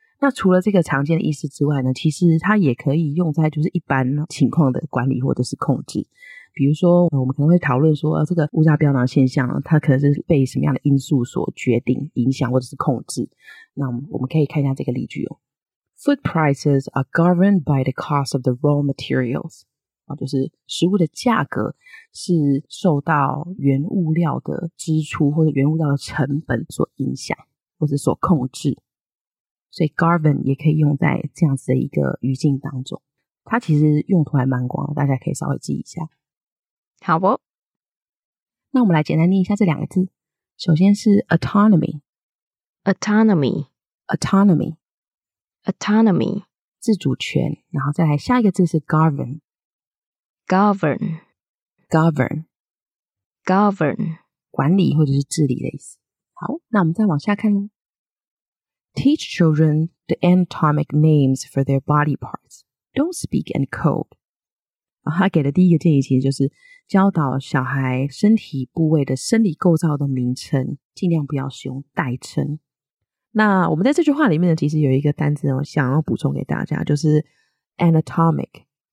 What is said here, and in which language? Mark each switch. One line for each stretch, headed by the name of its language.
Chinese: 那除了这个常见的意思之外呢，其实它也可以用在就是一般情况的管理或者是控制。比如说我们可能会讨论说这个误杀飙涨现象它可能是被什么样的因素所决定影响或者是控制，那我们可以看一下这个例句哦。
English: Food prices are governed by the cost of the raw materials.
Chinese: 就是食物的价格是受到原物料的支出或者原物料的成本所影响或者所控制。所以 govern 也可以用在这样子的一个语境当中。它其实用途还蛮广的，大家可以稍微记一下。好不？那我们来简单念一下这两个字。首先是 autonomy。
English: autonomy。 autonomy。 autonomy
Chinese: 自主权，然后再来下一个字是 govern
English: govern govern govern
Chinese: 管理或者是治理的意思。好，那我们再往下看。
English: Teach children the anatomic names for their body parts. Don't speak in code.
Chinese: 他给的第一个建议其实就是教导小孩身体部位的生理构造的名称，尽量不要使用代称。那我们在这句话里面呢，其实有一个单字我想要补充给大家，就是 anatomic。